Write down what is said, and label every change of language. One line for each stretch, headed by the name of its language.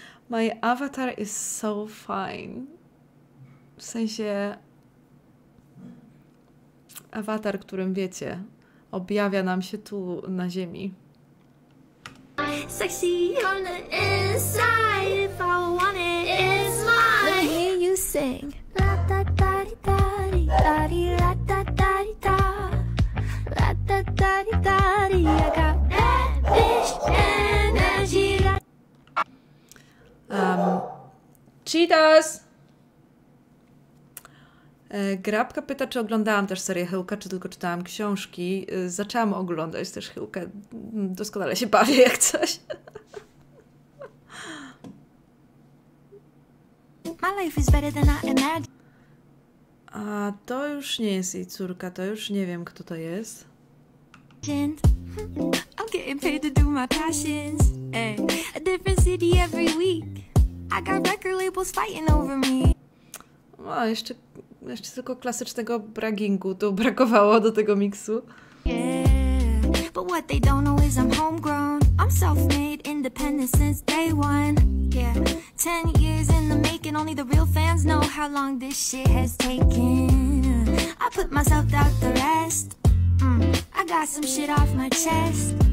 English: My avatar is so fine.
Polish: W sensie awatar, którym wiecie, objawia nam się tu na ziemi.
English: Sexy on the inside, if I want it, it's mine. I hear you sing. La da da di da di da di la da da di da. La da da di da di. I got bad bitch energy. Cheetos!
Polish: Grabka pyta, czy oglądałam też serię Chyłka, czy tylko czytałam książki. Zaczęłam oglądać też Chyłkę. Doskonale się bawię jak coś.
English: My life is better than I imagine.
Polish: A to już nie jest jej córka, to już nie wiem, kto to jest.
English: I'm getting paid to do my passions. A different city every week. I got record labels fighting over me.
Polish: O, jeszcze tylko klasycznego braggingu to brakowało do tego miksu.
English: Yeah, but what they don't know is I'm homegrown. I'm self-made, independent since day one. Yeah, 10 years in the making. Only the real fans know how long this shit has taken. I put myself out the rest. I got some shit off my chest.